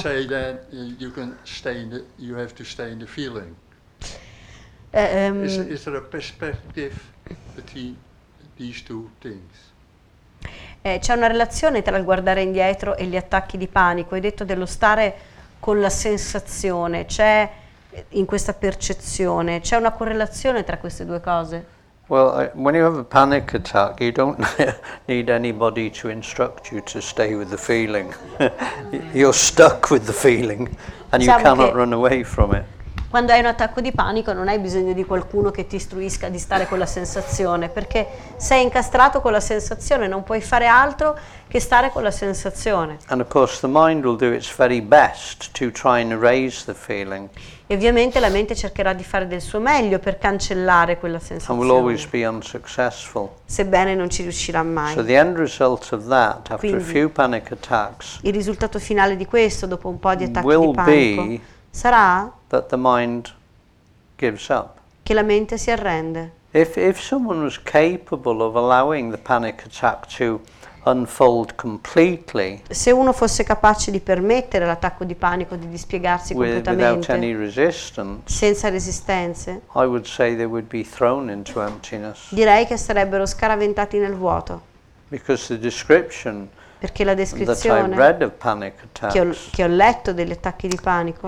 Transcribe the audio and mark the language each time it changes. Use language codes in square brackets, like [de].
[en] You say that you can stay in the, you have to stay in the feeling. Is there a perspective between these two things? [it] C'è una relazione tra il guardare indietro e gli attacchi di panico. Hai detto dello stare con la sensazione. C'è in questa percezione. C'è una correlazione tra queste due cose? [en] Well, when you have a panic attack, you don't need anybody to instruct you to stay with the feeling. You're stuck with the feeling, and [it] diciamo [en] you cannot run away from it. [it] Quando hai un attacco di panico non hai bisogno di qualcuno che ti istruisca di stare con la sensazione, perché sei incastrato con la sensazione, non puoi fare altro che stare con la sensazione. [en] And of course the mind will do its very best to try and erase the feeling. [it] E ovviamente la mente cercherà di fare del suo meglio per cancellare quella sensazione. [en] And will always be unsuccessful. [it] Sebbene non ci riuscirà mai. [en] So the end result of that, after [it] quindi [en] a few panic attacks, [it] il risultato finale di questo dopo un po' di attacchi [en] will [it] di panico [en] be [it] sarà [en] that the mind gives up. [it] Che la mente si arrende. [en] If someone was capable of allowing the panic attack to unfold completely, [it] se uno fosse capace di permettere l'attacco di panico di dispiegarsi completamente, [en] without any resistance, [it] senza resistenze, [en] I would say they would be thrown into emptiness. [it] Direi che sarebbero scaraventati nel vuoto. [en] Because the description, [it] perché la descrizione che ho letto degli attacchi di panico